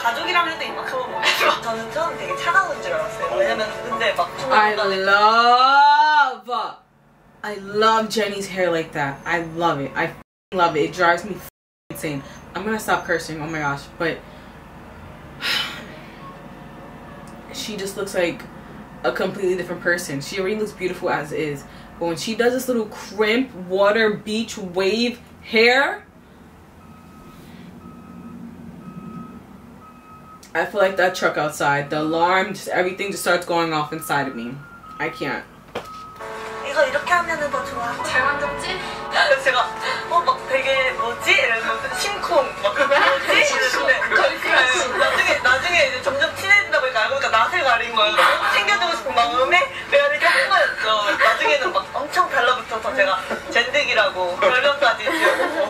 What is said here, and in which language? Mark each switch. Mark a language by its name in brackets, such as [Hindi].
[Korean] 가족이랑 해도 이만큼은 못해요. 저는 처음 되게 차가운 줄 알았어요. 왜냐면 근데 막 중간에 [English] I love, I love Jennie's hair like that. I love it. I f-ing love it. It drives me f-ing insane. I'm gonna stop cursing. Oh my gosh, but she just looks like a completely different person. She already looks beautiful as is. But when she does this little crimp, water, beach, wave, hair. I feel like that truck outside, the alarm, just everything just starts going off inside of me. I can't. [Korean] 이거 이렇게 하면 더 좋아. 잘 만졌지? 제가 막 되게 뭐지? 이러면서 심쿵 막 그런 거지? 이랬는데 나중에 이제 점점 친해진다고 이렇게 알고 보니까 낯을 가린 거예요. 챙겨주고 싶은 마음에 메아리 쳐본 거였죠. 나중에는 막 엄청 달라붙어서 제가 젠득이라고 별명까지 지어보고